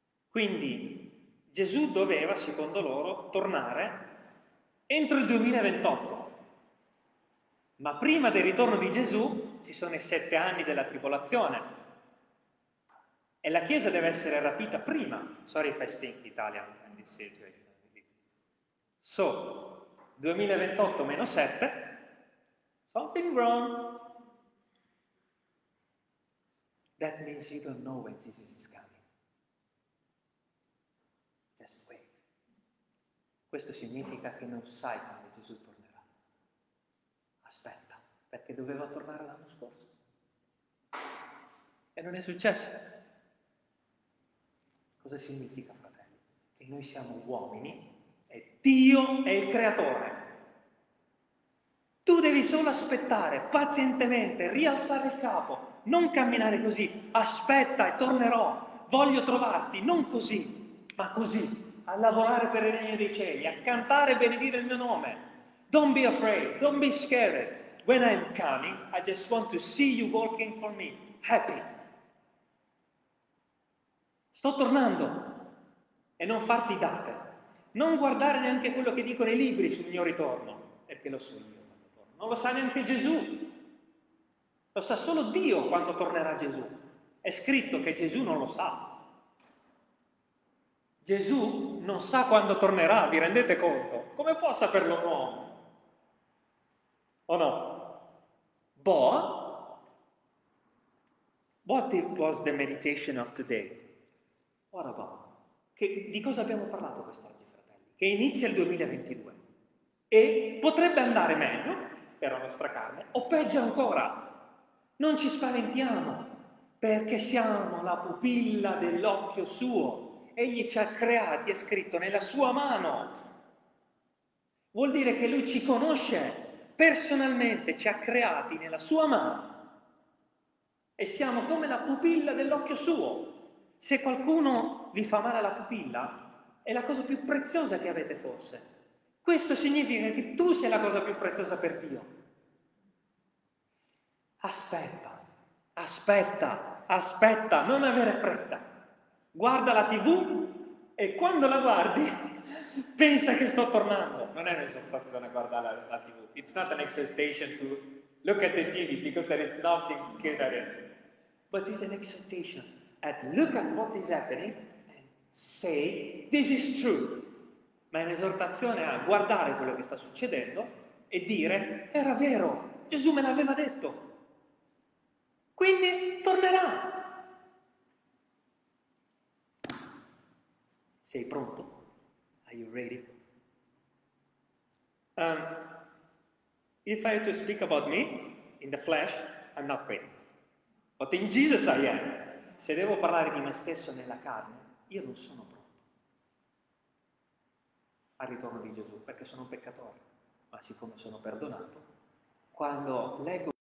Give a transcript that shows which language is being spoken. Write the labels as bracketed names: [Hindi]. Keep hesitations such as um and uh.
[Italian] Quindi Gesù doveva, secondo loro, tornare entro il 2028. Ma prima del ritorno di Gesù ci sono i sette anni della tribolazione. E la Chiesa deve essere rapita prima. [English] Sorry if I speak Italian in this situation. So, 2028 [Italian] meno [English] 7, something wrong. That means you don't know when Jesus is coming. Just wait. [Italian] Questo significa che non sai quando Gesù tornerà. Aspetta, perché doveva tornare l'anno scorso. E non è successo. Cosa significa, fratelli? Che noi siamo uomini e Dio è il creatore. Tu devi solo aspettare pazientemente, rialzare il capo, non camminare così, aspetta e tornerò, voglio trovarti, non così, ma così, a lavorare per il regno dei cieli, a cantare e benedire il mio nome. [English] Don't be afraid, don't be scared. When I'm coming, I just want to see you working for me, happy. [Italian] Sto tornando e non farti date. Non guardare neanche quello che dicono i libri sul mio ritorno, perché lo so io quando torno. Non lo sa neanche Gesù. Lo sa solo Dio quando tornerà Gesù. È scritto che Gesù non lo sa. Gesù non sa quando tornerà, vi rendete conto? Come può saperlo un uomo? O no? [English] But what it was the meditation of today? What about? [Italian] Che- di cosa abbiamo parlato quest'oggi, fratelli? Che inizia il 2022 e potrebbe andare meglio per la nostra carne o peggio ancora. Non ci spaventiamo perché siamo la pupilla dell'occhio suo. Egli ci ha creati, è scritto, nella sua mano. Vuol dire che lui ci conosce personalmente, ci ha creati nella sua mano e siamo come la pupilla dell'occhio suo. Se qualcuno vi fa male la pupilla, è la cosa più preziosa che avete forse. Questo significa che tu sei la cosa più preziosa per Dio. Aspetta, aspetta, aspetta, non avere fretta. Guarda la tv e quando la guardi pensa che sto tornando. Non è un'esortazione guardare la, la tv. [English] It's not an exhortation to look at the TV because there is nothing good at it. But it's an exhortation at look at what is happening and say this is true. [Italian] Ma è un'esortazione a guardare quello che sta succedendo e dire era vero, Gesù me l'aveva detto. Quindi tornerà. Sei pronto? [English] Are you ready? Um, if I had to speak about me in the flesh, I'm not ready. But in Jesus I am. [Italian] Se devo parlare di me stesso nella carne, io non sono pronto al ritorno di Gesù, perché sono un peccatore. Ma siccome sono perdonato, quando leggo